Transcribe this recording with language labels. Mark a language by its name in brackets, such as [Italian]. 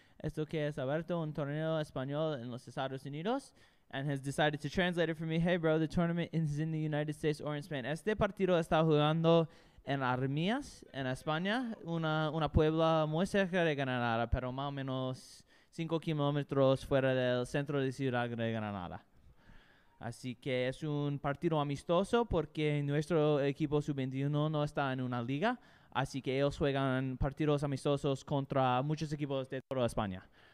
[Spanish] Esto que es abierto un torneo español en los Estados Unidos. [English] And has decided to translate it for me. Hey, bro, the tournament is in the United States or in Spain. [Spanish] Este partido está jugando en Armillas, en España, una puebla muy cerca de Granada, pero más o menos 5 kilómetros fuera del centro de ciudad de Granada. Así que es un partido amistoso porque nuestro equipo sub-21 no está en una liga, así que ellos juegan partidos amistosos contra muchos equipos de toda España.